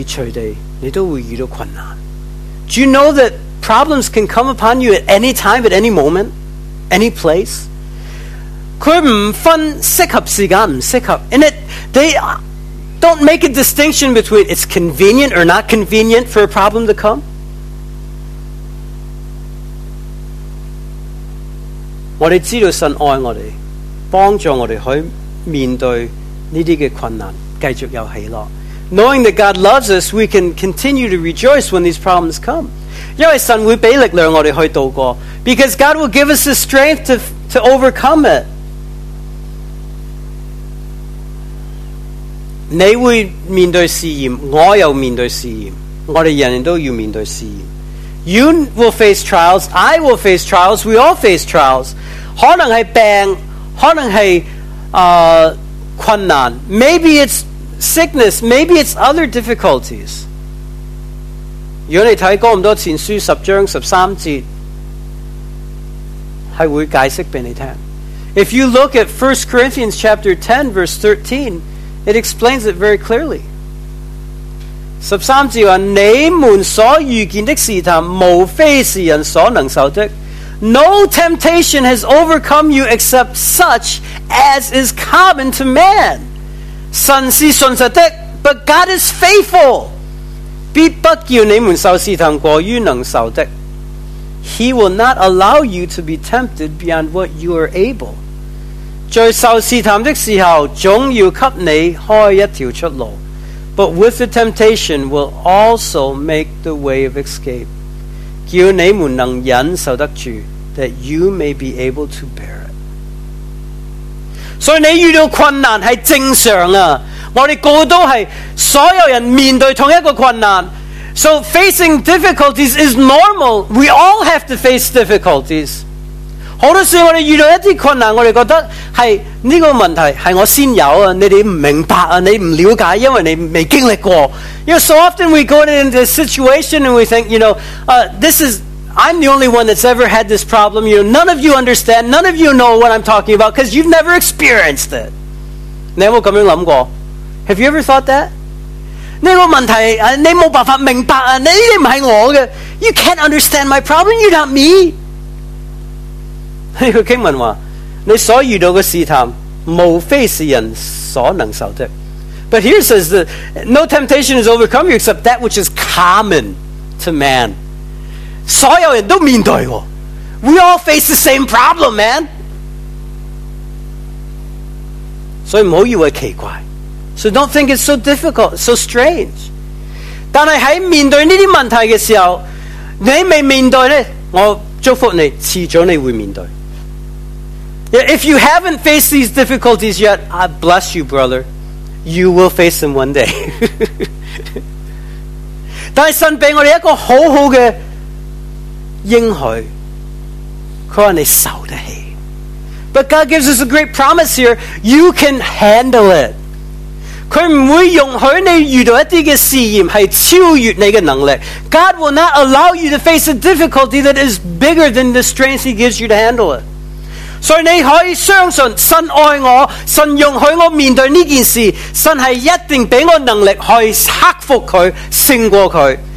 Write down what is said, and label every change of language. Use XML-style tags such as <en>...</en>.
<en>Do you know that problems can come upon you at any time, at any moment, any place? Don't make a distinction between it's convenient or not convenient for a problem to come.</en> <zh>我们知道神爱我们，帮助我们去面对这些困难，继续有喜乐。</zh> <en>Knowing that God loves us, we can continue to rejoice when these problems come.</en> <zh>因为神会给力量我们去度过，</zh> <en>because God will give us the strength to overcome it.</en> <zh>你会面对试验，我又面对试验，我们人人都要面对试验。</zh> <en>You will face trials, I will face trials, we all face trials.</en> <zh>可能是病，可能是困难，</zh> <en>maybe it's sickness, maybe it's other difficulties.</en> <zh>如果你看哥林多前书十章十三节，是会解释给你听。</zh> <en>If you look at 1 Corinthians chapter 10 verse 13,It explains it very clearly.</en> <zh>十三节话，你们所遇见的试探，无非是人所能受的。</zh> <en>No temptation has overcome you except such as is common to man.</en> <zh>神是信实的，</zh> <en>but God is faithful.</en> <zh>必不叫你们受试探过于能受的。</zh> <en>He will not allow you to be tempted beyond what you are able.</en> <zh>在受试探的时候，总要给你开一条出路。</zh> <en>But with the temptation will also make the way of escape.</en> <zh>叫你们能忍受得住，</zh> <en>that you may be able to bear it.</en> <zh>所以你遇到困难是正常啊。我们个都是所有人面对同一个困难。</zh> <en>So facing difficulties is normal. We all have to face difficulties.</en> <zh>好多时候我们遇到一些困难，我们觉得是这个问题是我先有，你们不明白，你们不了解，因为你没经历过。</zh> <en>You know, so often we go into this situation and we think, you know, I'm the only one that's ever had this problem. You know, none of you understand, none of you know what I'm talking about because you've never experienced it.</en> <zh>你有没有这样想过？</zh> <en>Have you ever thought that?</en> <zh>这个问题，你没办法明白，你不是我的。</zh> <en>You can't understand my problem, you're not me.</en> <zh>这个经文说，你所遇到的试探，无非是人所能受的。</zh> <en>But here it says that no temptation is overcome you except that which is common to man.</en> <zh>所有人都面对过。</zh> <en>We all face the same problem, man.</en> <zh>所以不要以为奇怪。</zh> <en>So don't think it's so difficult, so strange.</en> <zh>但是在面对这些问题的时候，你没面对呢，我祝福你，迟早你会面对。</zh> <en>If you haven't faced these difficulties yet, I bless you, brother. You will face them one day.</en> <zh>但神给我们一个好好的应许，他说你受得起。</zh> <en>But God gives us a great promise here. You can handle it.</en> <zh>祂不会容许你遇到一些试验是超越你的能力。</zh> <en>God will not allow you to face a difficulty that is bigger than the strength He gives you to handle it.</en> <zh>所以你可以相信神爱我，神容许我面对这件事，神是一定给我能力去克服它，胜过它。</zh>